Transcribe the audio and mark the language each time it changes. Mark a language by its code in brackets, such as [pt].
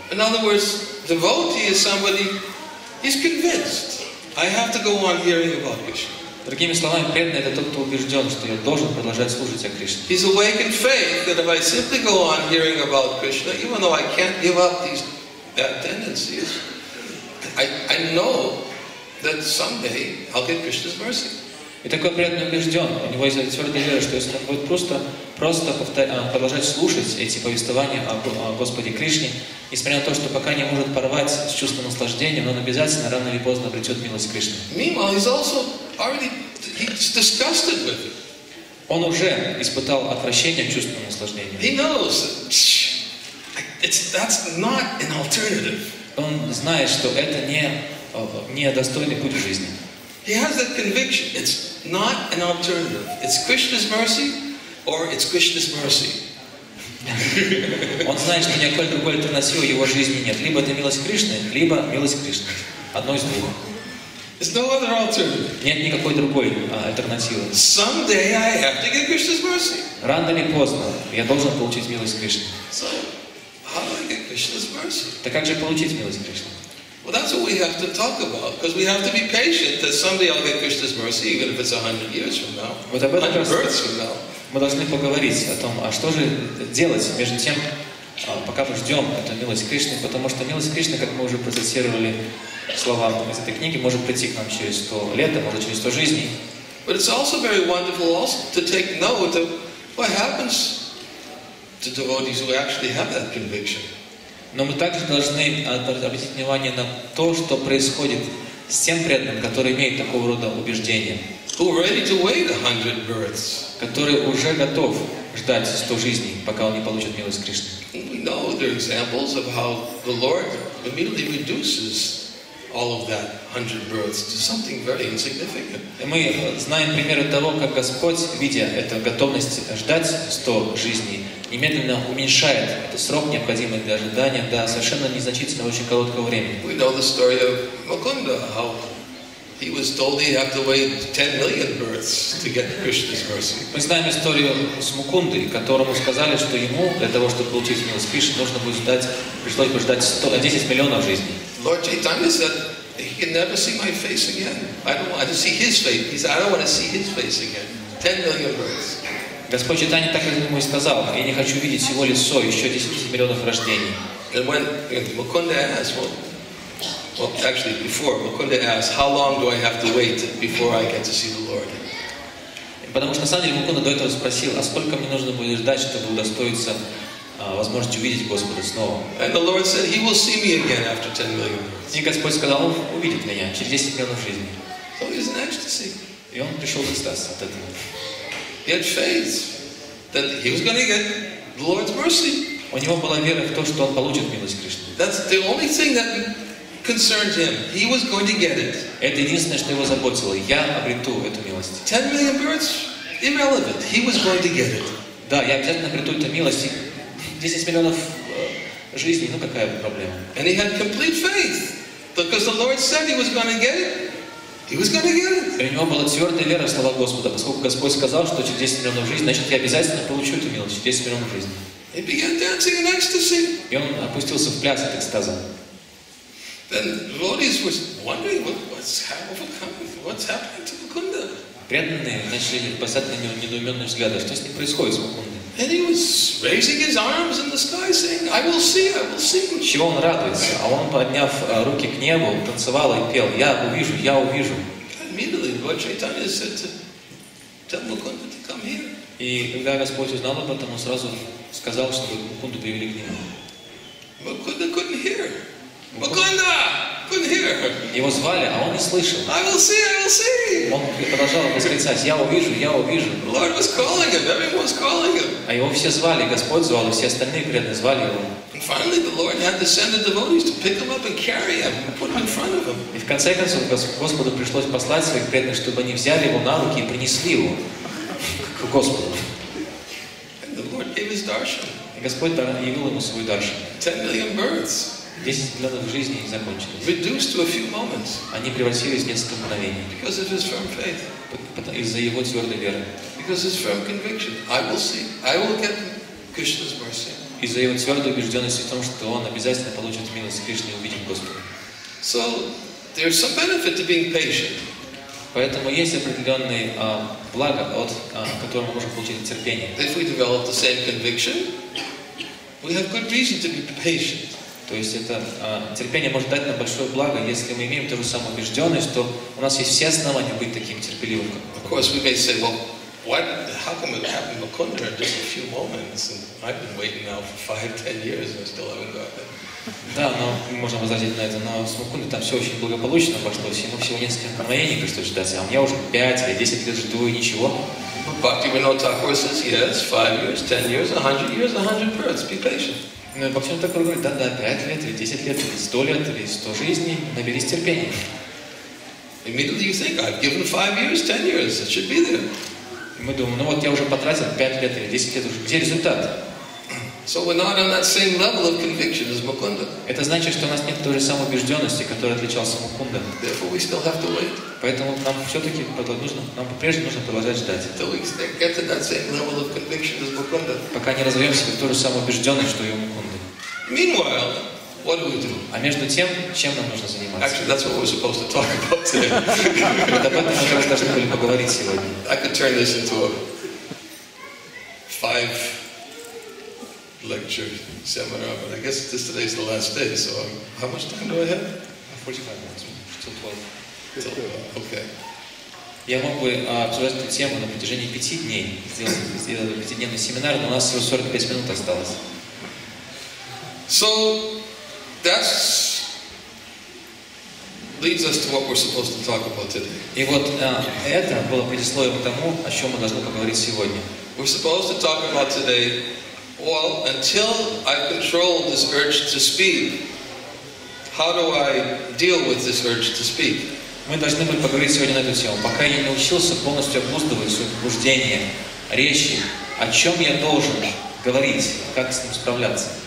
[en] In other words, devotee is somebody, he's convinced, I have to go on hearing about Krishna. [ru] Другими словами, преданный — это тот, кто убежден, что я должен продолжать служить о Кришне. [en] He's awakened faith that if I simply go on hearing about Krishna, even though I can't give up these bad tendencies, I know that someday I'll get Krishna's mercy. [ru] И такой преданный убежден, у него есть твердая вера, что если он будет продолжать слушать эти повествования о Господе Кришне, несмотря на то, что пока не может порвать с чувством наслаждения, но он обязательно рано или поздно обретет милость Кришны. [en] Meanwhile, he's also already he's disgusted with it. [ru] Он уже испытал отвращение к чувству наслаждения. [en] He knows that's not an alternative. [ru] Он знает, что это не достойный путь жизни. [en] He has that conviction. It's not an alternative. It's Krishna's mercy, or it's Krishna's mercy. [ru] Он знает, что никакой другой альтернативы в его жизни нет. Либо это милость Кришны, либо милость Кришны. Одно из двух. [en] There's no other alternative. [ru] Нет никакой другой альтернативы. [en] Someday I have to get Krishna's mercy. [ru] Рано или поздно я должен получить милость Кришны. [en] So, how do I get Krishna's mercy? [ru] Так как же получить милость Кришны? [en] Well, that's what we have to talk about, because we have to be patient that someday I'll get Krishna's mercy, even if it's 100 years from now, 100 births from now. [ru] Мы должны поговорить о том, а что же делать между тем, пока мы ждем эту милость Кришны, потому что милость Кришны, как мы уже процитировали слова из этой книги, может прийти к нам через 100 лет, а может через 100 жизней. [en] But it's also very wonderful also to take note of what happens to devotees who actually have that conviction. [ru] Но мы также должны обратить внимание на то, что происходит с тем преданным, который имеет такого рода убеждение. [en] Who ready to wait 100 births. [ru] Который уже готов ждать 100 жизней, пока он не получит милость Кришны. [en] We know there are examples of how the Lord immediately reduces all of that 100 births to something very insignificant. [ru] И мы знаем примеры того, как Господь, видя эту готовность ждать 100 жизней, немедленно уменьшает этот срок, необходимый для ожидания, до совершенно незначительного, очень короткого времени. [en] We know the story of Mukunda, how he was told he'd have to wait 10 million births to get Krishna's mercy. [ru] Мы знаем историю с Мукундой, которому сказали, что ему для того, чтобы получить милость Кришны, нужно будет ждать, пришлось бы ждать 10 миллионов жизней. [en] Lord Chaitanya said he can never see my face again. I don't want to see his face. He said, I don't want to see his face again. 10 million births. [ru] Господь Читания так ему и сказал, я не хочу видеть его лицо еще 10 миллионов рождений. [en] And when Mukunda asked, before Mukunda asked, how long do I have to wait before I get to see the Lord? [ru] Потому что на самом деле Мукунда до этого спросил, а сколько мне нужно будет ждать, чтобы удостоиться возможности увидеть Господа снова? [en] And the Lord said, he will see me again after 10 million births. [ru] И Господь сказал, он увидит меня через 10 миллионов жизней. [en] So he's in ecstasy. [ru] И он пришел в экстаз от этого. [en] He had faith that he was going to get the Lord's mercy. [ru] У него была вера в то, что он получит милость Кришны. [en] That's the only thing that concerned him. He was going to get it. [ru] Это единственное, что его заботило. Я обрету эту милость. [en] 10 million births? Irrelevant. He was going to get it. [ru] Да, я обязательно обрету эту милость. 10 миллионов жизней, ну какая проблема? [en] And he had complete faith because the Lord said he was going to get it. He was going to get it. [ru] У него была твердая вера в слова Господа, поскольку Господь сказал, что через 10 миллионов жизней, значит, я обязательно получу эту милость, через 10 миллионов жизней. [en] He began dancing in ecstasy. [ru] И он опустился в пляс от экстаза. [en] Then devotees were wondering what's happening to Mukunda. [ru] Преданные начали бросать на него недоуменные взгляды, что с ним происходит с Мукундой. [en] And he was raising his arms in the sky, saying, "I will see, I will see." [ru] Чего он радуется? А он, подняв руки к небу, танцевал и пел: "Я увижу, я увижу." [en] Immediately, Lord Chaitanya said to tell Mukunda to come here. [ru] И когда Господь узнал об этом, он сразу сказал, чтобы Мукунду привели к нему. [en] Mukunda couldn't hear. Mukunda couldn't hear. [ru] Его звали, а он не слышал. [en] I will see, I will see. [ru] Он продолжал восклицать: "Я увижу, я увижу." [en] The Lord was calling him. Everyone was calling him. [ru] А его все звали, Господь звал, и все остальные преданные звали его. [en] And finally, the Lord had to send the devotees to pick him up and carry him, put him in front of him. [ru] И в конце концов Господу пришлось послать своих преданных, чтобы они взяли его на руки и принесли его к Господу. [en] And the Lord gave his darshan. [ru] И Господь явил ему свой даршан. [en] 10 million births. [ru] 10 миллионов жизней закончились. [en] Reduced to a few moments. [ru] Они превратились в несколько мгновений. [en] Because of his firm faith. [ru] Из-за его твердой веры. [en] Because of his firm conviction. I will see. I will get Krishna's mercy. [ru] Из-за его твердой убежденности в том, что он обязательно получит милость Кришны и увидит Господа. [en] So there's some benefit to being patient. [ru] Поэтому есть определенные блага, от которого мы можем получить терпение. [en] If we develop the same conviction, we have good reason to be patient. [ru] То есть это терпение может дать нам большое благо, если мы имеем ту же самую убежденность, то у нас есть все основания быть таким терпеливым. [en] Of course, we may say, well, what? How come it happened to Mukunda in just a few moments, and I've been waiting now for 5-10 years and I still haven't got it? [ru] Да, но можно возразить на это, но с Мукундой там все очень благополучно обошлось, ему всего несколько мгновений пришлось ждать, а у меня уже 5 или 10 лет жду и ничего. [en] Bhaktivinoda Thakur says, yes, 5 years, 10 years, 100 years, 100 births. Be patient. [ru] Ну и Бхактивинода Тхакур говорит, да, 5 лет, или 10 лет, или 100 лет, или 100 жизней, наберись терпения. [en] Immediately you think, I've given 5 years, 10 years, it should be there. [ru] И мы думаем, ну вот я уже потратил 5 лет или 10 лет, уже где результат? [en] So we're not on that same level of conviction as Mukunda. [ru] Это значит, что у нас нет той же самой убежденности, которая отличалась Мукунда. [en] Therefore, we still have to wait. [ru] Поэтому нам все-таки нужно, нам по-прежнему нужно продолжать ждать. [en] Till we get to that same level of conviction as Mukunda. [ru] Пока не разовьем себе ту же самую убежденность, что и у Мукунды. [en] Meanwhile, what do we do? [ru] А между тем, чем нам нужно заниматься? [en] Actually, that's what we're supposed to talk about today. [ru] Об этом мы как раз должны были поговорить сегодня. [en] I could turn this into a 5-lecture seminar, but I guess this today is the last day, so how much time do I have? 45 minutes, till 12. Till 12, okay. [ru] Я мог бы обсуждать эту тему на протяжении 5 дней, сделать 5-дневный семинар, но у нас всего 45 минут осталось. [en] So, that leads us to what we're supposed to talk about today. [ru] И вот это было предисловием к тому, о чем мы должны поговорить сегодня. [en] We're supposed to talk about today. Well, until I control this urge to speak, how do I deal with this urge to speak? [ru] Мы должны были поговорить сегодня на эту тему. Пока я не научился полностью обуздывать свое побуждение, речи, о чем я должен говорить, как с ним справляться?